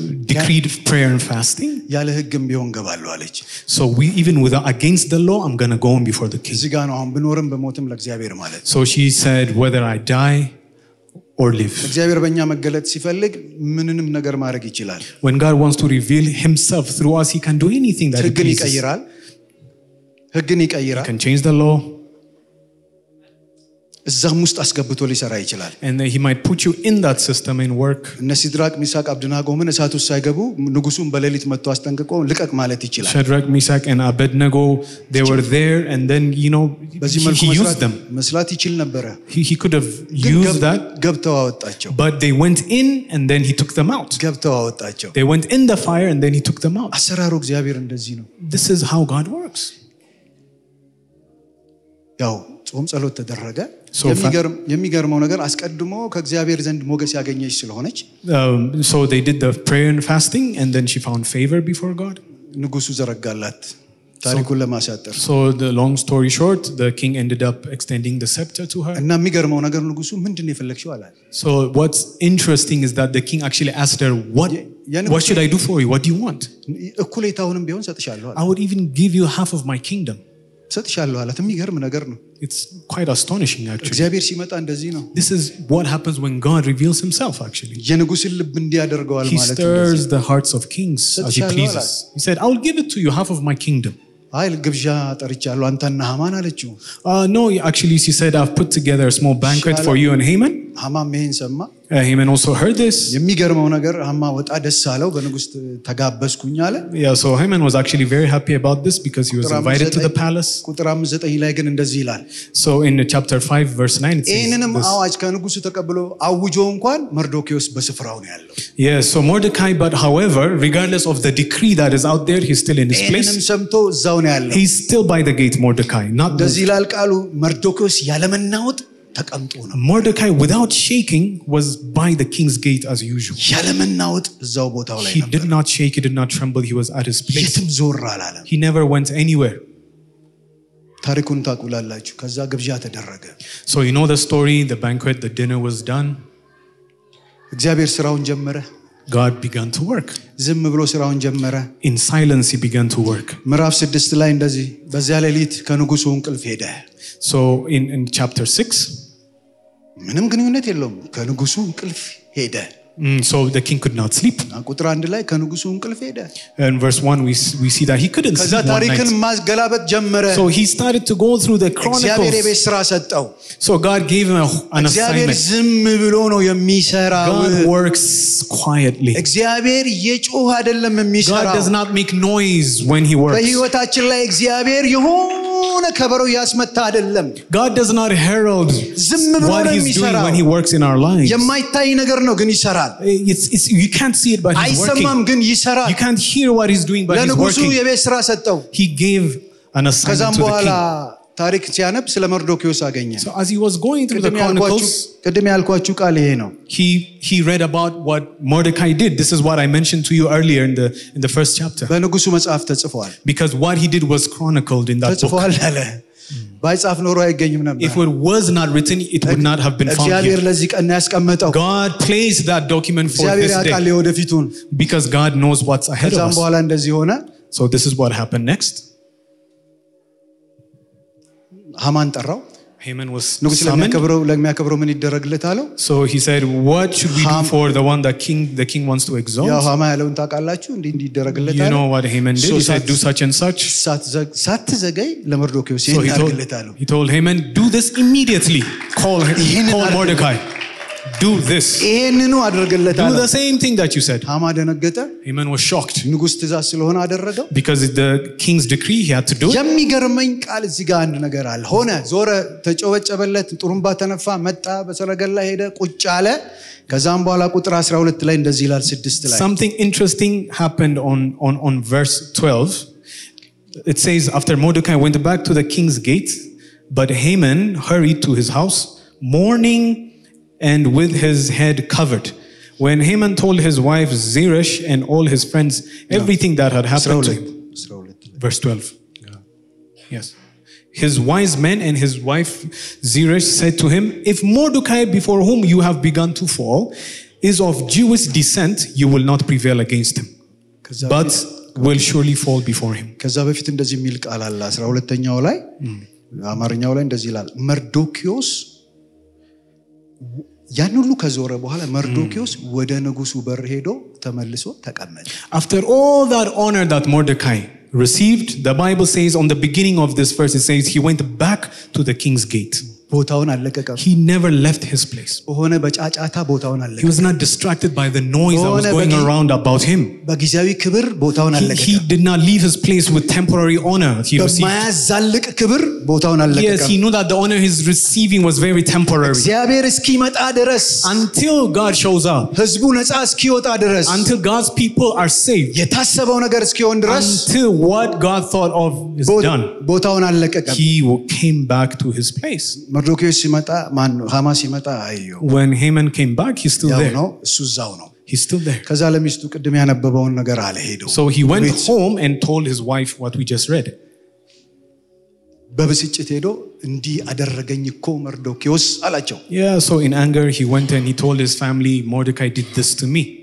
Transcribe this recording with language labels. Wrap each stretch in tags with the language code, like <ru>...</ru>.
<en>decreed prayer and fasting</en> <am>ያለ ህግም ቢሆን ገባለሁ አለች</am> <en>so we even without against the law I'm going to go on before the king</en> <am>ዝጋን አሁን ብኖርም በሞትም ለእግዚአብሔር ማለት</am> <en>so she said whether I die or live.</en> <am>እግዚአብሔር በእኛ መገለጥ ሲፈልግ ምንንም ነገር ማድረግ ይችላል.</am> <en>When God wants to reveal himself through us he can do anything that he pleases.</en> <am>ህግን ይቀይራል. ህግን ይቀይራል.</am> <en>He can change the law.</en> <am>እዛም ውስጥ አስገብቶ ሊሰራ ይችላል.</am> <en>And he might put you in that system and work.</en> <am>ነሲድራክ ሚሳቅ አብደናጎ ምን እሳቱ ሳይገቡ ንጉሱን በሌሊት መጥቶ አስጠንቅቆ ልቀቅ ማለት ይችላል.</am> <en>ሸድራክ ሚሳቅ and አብደናጎ they were there and then you know he used them.</en> <am>መስላት ይችል ነበር.</am> <en>He could have used that.</en> <am>ገብተው አወጣቸው.</am> <en>But they went in and then he took them out.</en> <am>ገብተው አወጣቸው.</am> <en>They went in the fire and then he took them out.</en> <am>አሰራሩ እግዚአብሔር እንደዚህ ነው.</am> <en>This is how God works.</en> <am>ያው ጾም ጸሎት ተደረገ. የሚገርመው ነገር አስቀድሞ ከእግዚአብሔር ዘንድ ሞገስ ያገኘች ስለሆነች</am> <en>so they did the prayer and fasting and then she found favor before God</en> <am>ንጉሱ ዘረጋላት ታሪኩን ለማሳጠር</am> <en>so the long story short the king ended up extending the scepter to her</en> <am>እና የሚገርመው ነገር ንጉሱ ምንድነው የፈለክሽው አላት</am> <en>so what's interesting is that the king actually asked her what should I do for you what do you want</en> <am>እኩሌታውንም ቢሆን ሰጥሻለሁ አላት</am> <en>I would even give you half of my kingdom</en> <am>ሰጥሻለሁ አላት የሚገርም ነገር ነው</am> <en>It's quite astonishing actually.</en> <am>እግዚአብሔር ሲመጣ እንደዚህ ነው.</am> <en>This is what happens when God reveals himself actually.</en> <am>የንጉሥ ልብ እንዲያደርገዋል ማለት ነው.</am> <en>He stirs the hearts of kings as he pleases. He said, "I'll give it to you half of my kingdom."</en> <am>አይል ግብዣ አጠርቻለሁ አንተና ሐማን አለችው.</am> <en>No, actually she said, "I've put together a small banquet for you and Haman."</en> <am>ሐማን ምን ሰማ?</am> <en>Haman also heard this.</en> <am>የሚገርመው ነገር ሐማ ወጣ ደስ አለው በንጉሥ ተጋበዝኩኝ አለ.</am> <en>Yeah, so Haman was actually very happy about this because he was invited to the palace.</en> <am>ቁጥር 9 ላይ ግን እንደዚህ ይላል.</am> <en>So in chapter 5 verse 9 it says</en> <am>እነንም አዋጅ ከንጉሥ ተቀብሎ አውጆ እንኳን መርዶክዮስ በስፍራው ነው ያለው.</am> <en>Yeah, so Mordecai but however regardless of the decree that is out there he's still in his place.</en> <am>እነንም ሰምቶ እዛው ነው ያለው.</am> <en>He's still by the gate Mordecai not</en> <am>እንደዚህ ይላል ቃሉ መርዶክዮስ ያለመናወጥ ተቀምጦ ነው</am> <en>Mordecai without shaking was by the king's gate as usual</en> <am>ያለመናወጥ እዛው ቦታው ላይ ነበር</am> <en>He did not shake he did not tremble he was at his place</en> <am>የትም ዞር አላለም</am> <en>He never went anywhere</en> <am>ታሪኩን ታቁላላችሁ ከዛ ግብዣ ተደረገ</am> <en>So you know the story the banquet the dinner was done</en> <am>እግዚአብሔር ስራውን ጀመረ</am> <en>God began to work.</en> <am>ዝም ብሎ ስራውን ጀመረ.</am> <en>In silence he began to work.</en> <am>ምዕራፍ 6 ላይ እንደዚህ በዚያ ሌሊት ከንጉሱ እንቅልፍ ሄደ.</am> <en>So in chapter 6</en> <am>ምንም ግንኙነት የለውም ከንጉሱ እንቅልፍ ሄደ.</am> <en>So the king could not sleep.</en> <am>ቁጥር 1 ላይ ከንጉሱ እንቅልፍ ሄደ.</am> <en>In verse 1 we see that he couldn't sleep.</en> <am>ከዛ ታሪክን ማስገላበጥ ጀመረ.</am> <en>So he started to go through the chronicles.</en> <am>እግዚአብሔር የቤት ስራ ሰጠው.</am> <en>So God gave him an assignment.</en> <am>እግዚአብሔር ዝም ብሎ ነው የሚሰራው.</am> <en>God works quietly.</en> <am>እግዚአብሔር የጮህ አይደለም የሚሰራው.</am> <en>God does not make noise when he works.</en> <am>በሕይወታችን ላይ እግዚአብሔር የሆነ ከበሮ ያስመታ አይደለም.</am> <en>God does not herald</en> <am>ዝም ብሎ ነው የሚሰራው.</am> <en>What he's doing when he works in our lives.</en> <am>የማይታይ ነገር ነው ግን</am> <en>it's you can't see it but he's working you can't hear what he's doing but he's working he gave an assignment to the king</en> <am>ታሪክ ሲያነብ ስለ መርዶክዮስ አገኘ</am> <en>So as he was going through the chronicles</en> <am>ቀደም ያልኳችሁ ቃል ይሄ ነው</am> <en>He read about what Mordecai did this is what I mentioned to you earlier in the first chapter</en> <am>በንጉሱ መጽሐፍ ተጽፏል</am> <en>Because what he did was chronicled in that book</en> <am>ተጽፏል አለ ባይጻፍ ኖሮ አይገኝም ነበር</am> <en>If it was not written it would not have been found here</en> <am>እግዚአብሔር ለዚህ ቀን ያስቀመጠው</am> <en>God placed that document for this day because God knows what's ahead of us</en> <am>ከዛም በኋላ እንደዚህ ሆነ</am> <en>So this is what happened next</en> <am>ሃማን ጠራው</am> <en>Haman was</en> <am>ለሚያከብረው ምን ይደረግለት አለው</am> <en>So he said what should we do for the one that the king wants to exalt</en> <am>ያ ሃማ ያለውን ታቃላችሁ እንዴ ይደረግለት አለ</am> <en>You know what Haman did so he said do such and such</en> <am>ሳትዘገይ ለመርዶክዮስ ይደረግለት አለ</am> <en>He told Haman do this immediately call Mordecai do this</en> <am>ይሄንኑ አድርገለት አለ</am> <en>Do the same thing that you said</en> <am>ሃማ ደነገጠ</am> <en>Haman was shocked</en> <am>ንጉስ ትእዛዝ ስለሆነ አደረገው</am> <en>because the king's decree he had to do</en> <am>የሚገርመኝ ቃል እዚህ ጋር አንድ ነገር አለ ሆነ ዞረ ተጨወጨበለት ጥሩምባ ተነፋ መጣ በሰረገላ ሄደ ቁጭ አለ ከዛም በኋላ ቁጥር 12 ላይ እንደዚህ ይላል 6 ላይ</am> <en>Something interesting happened on verse 12 it says after Mordecai went back to the king's gate but Haman hurried to his house mourning and with his head covered when Haman told his wife Zeresh and all his friends everything that had happened to him verse 12 yes his wise men and his wife Zeresh said to him if Mordecai before whom you have begun to fall is of Jewish descent you will not prevail against him but will surely fall before him</en> <am>kazabe fit endezim ilqal ala 12ኛው ላይ አማርኛው ላይ እንደዚህ ይላል መርዶክዮስ ያን ሁሉ ከዞረ በኋላ መርዶክዮስ ወደ ንጉሱ በር ሄዶ ተመልሶ ተቀመጠ</am> <en>After all that honor that Mordecai received the Bible says on the beginning of this verse it says he went back to the king's gate</en> <am>ቦታውን አለቀቀ</am> <en>He never left his place</en> <am>ሆነ በጫጫታ ቦታውን አለቀቀ</am> <en>He was not distracted by the noise that was going around about him</en> <am>በጊዜያዊ ክብር ቦታውን አለቀቀ</am> <en>He did not leave his place with temporary honor he received</en> <am>በማያዛልቅ ክብር ቦታውን አለቀቀ</am> <en>Yes he knew that the honor he's receiving was very temporary</en> <am>እግዚአብሔር እስኪመጣ ድረስ</am> <en>Until God shows up</en> <am>ህዝቡ ነጻ እስኪወጣ ድረስ</am> <en>Until God's people are saved</en> <am>የታሰበው ነገር እስኪሆን ድረስ</am> <en>Until what God thought of is done</en> <am>ቦታውን አለቀቀ</am> <en>He came back to his place</en> <am>መርዶክዮስ ሲመጣ ማን ሃማስ ሲመጣ አይዮ</am> <en>When Haman came back he's still there</en> <am>ያው ነው ሱዛው ነው</am> <en>He's still there</en> <am>ከዛ ለሚስቱ ቅድም ያነበበውን ነገር አለ ሄዶ</am> <en>So he went home and told his wife what we just read</en> <am>በብስጭት ሄዶ እንዲ አደረገኝ እኮ መርዶክዮስ አላቸው</am> <en>Yeah so in anger he went and he told his family Mordecai did this to me</en>